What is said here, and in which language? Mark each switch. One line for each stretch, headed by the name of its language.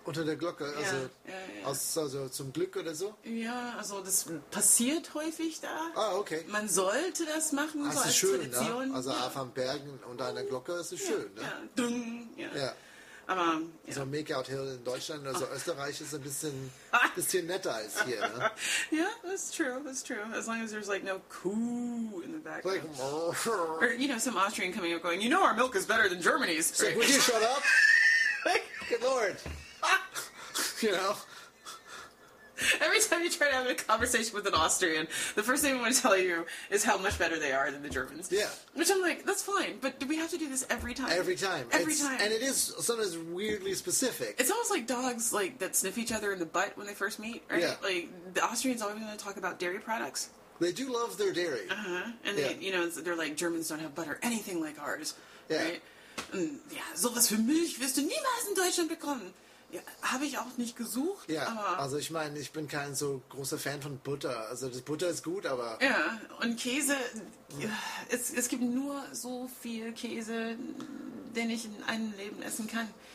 German: Unter der Glocke, also, ja, ja, ja. Also zum Glück oder so? Ja, also das passiert häufig da. Ah, okay. Man sollte das machen, ah, so als schön, Tradition. Ne? Also ja. Auf am Bergen unter einer Glocke, das ist ja, schön, ne? Ja, dünn, ja. Ja. Aber, ja. So ein Make-out-Hill in Deutschland oder so, oh. Österreich ist ein bisschen netter als hier. Ne?
English: Yeah, that's true. As long as there's like no coo in the background. Like, or, you know, some Austrian coming up going, you know our milk is better than Germany's. So, right? Would you shut up? Good lord. You know? Every time you try to have a conversation with an Austrian, the first thing I want to tell you is how much better they are than the Germans. Yeah. Which I'm like, that's fine, but do we have to do this every time? Every time. Every time. And it is sometimes weirdly specific. It's almost like dogs like that sniff each other in the butt when they first meet, right? Yeah. Like, the Austrians always want to talk about dairy products. They do love their dairy. Uh-huh. And yeah. They, you know, they're like, Germans don't have butter anything like ours. Yeah. Right? Yeah.
German: So was für Milch wirst du niemals in Deutschland bekommen. Ja, habe ich auch nicht gesucht. Ja, aber also ich meine, ich bin kein so großer Fan von Butter. Also das Butter ist gut, aber ja, und Käse, es gibt nur so viel Käse, den ich in einem Leben essen kann.